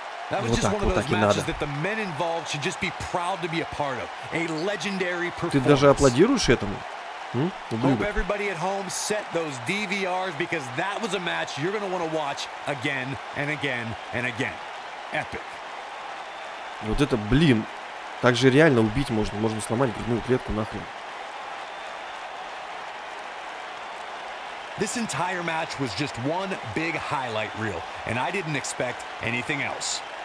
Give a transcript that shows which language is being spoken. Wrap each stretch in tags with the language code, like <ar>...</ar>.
<en>That was just one of those matches that the men involved should just be proud to be a part of. A legendary performance.</en> <ru>Ты даже аплодируешь этому?</ru> <en>Hope everybody at home set those DVRs because that was a match you're going to want to watch again and again and again. Epic.</en> <ru>Вот это, блин, так же реально убить можно. Можно сломать грудную клетку, нахрен.</ru> <en>This entire match was just one big highlight reel, and I didn't expect anything else.</en>